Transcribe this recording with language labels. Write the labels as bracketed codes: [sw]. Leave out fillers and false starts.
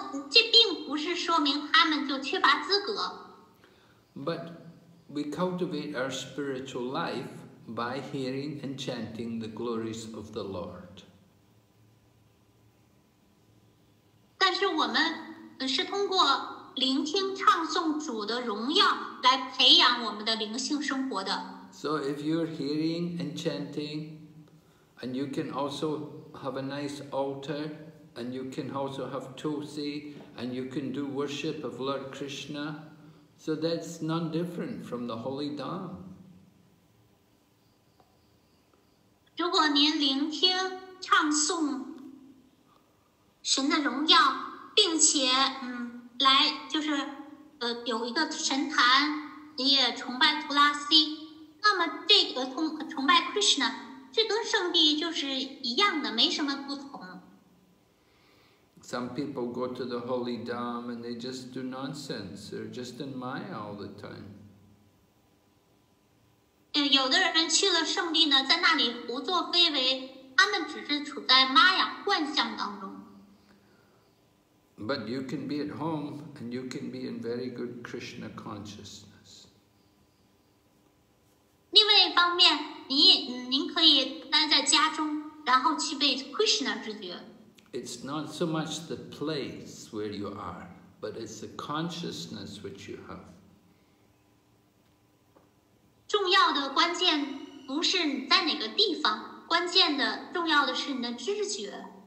[zh] 这并不是说明他们就缺乏资格。 [en] But we cultivate our spiritual life by hearing and chanting the glories of the Lord. [zh] 但是我们是通过聆听唱诵主的荣耀来培养我们的灵性生活的。 [en] So if you're hearing and chanting, and you can also have a nice altar, and you can also have tulsi, and you can do worship of Lord Krishna, so that's none different from the holy dham. [zh] 如果您聆听唱诵神的荣耀，并且来就是有一个神坛，你也崇拜图拉西，那么这个崇拜 Krishna， 这跟圣地就是一样的，没什么不同。 [en] Some people go to the holy dham and they just do nonsense. They're just in Maya all the time. [zh] 有的人去了圣地呢，在那里胡作非为，他们只是处在 Maya 幻象当中。 [en] But you can be at home and you can be in very good Krishna consciousness. [zh] 另外一方面，您可以待在家中，然后去被 Krishna 之觉。 [en] It's not so much the place where you are, but it's the consciousness which you have. [zh] 重要的关键不是在哪个地方，关键的重要的是你的知觉。